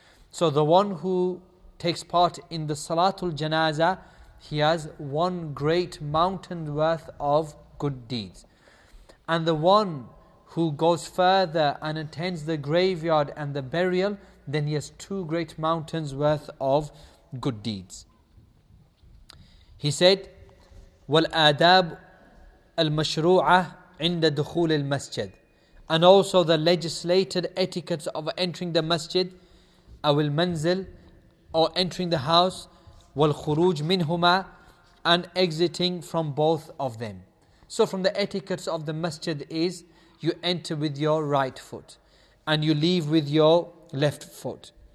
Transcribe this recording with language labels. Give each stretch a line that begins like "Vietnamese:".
English: So the one who takes part in the Salatul Janazah, he has one great mountain worth of good deeds. And the one who goes further and attends the graveyard and the burial, then he has two great mountains worth of good deeds. He said,
Arabic: وَالْآدَابُ الْمَشْرُوعَةِ عِنْدَ دُخُولِ الْمَسْجِدِ.
English: And also the legislated etiquettes of entering the masjid,
Arabic: أَوِ الْمَنْزِلِ,
English: or entering the house,
Arabic: وَالْخُرُوجُ مِنْهُمَا,
English: and exiting from both of them. So from the etiquettes of the masjid is, you enter with your right foot and you leave with your left foot.